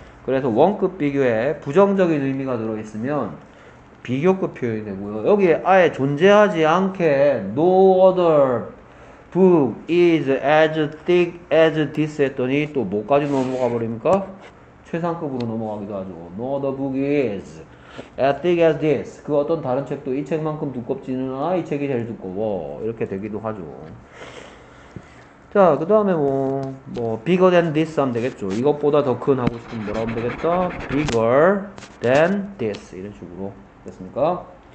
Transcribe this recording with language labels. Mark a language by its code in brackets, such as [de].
[ko] 그래서 원급 비교에 부정적인 의미가 들어있으면 비교급 표현이 되고요. 여기에 아예 존재하지 않게 [en] no other book is as thick as this [ko] 했더니 또 뭐까지 넘어가 버립니까? 최상급으로 넘어가기도 하죠. [en] No other book is as thick as this. [ko] 그 어떤 다른 책도 이 책만큼 두껍지는 않아. 이 책이 제일 두꺼워. 이렇게 되기도 하죠. 자, 그 다음에 뭐, [en] bigger than this [ko] 하면 되겠죠. 이것보다 더큰 하고 싶으면 뭐라고 하면 되겠다? [en] bigger than this. [ko] 이런 식으로. 됐습니까?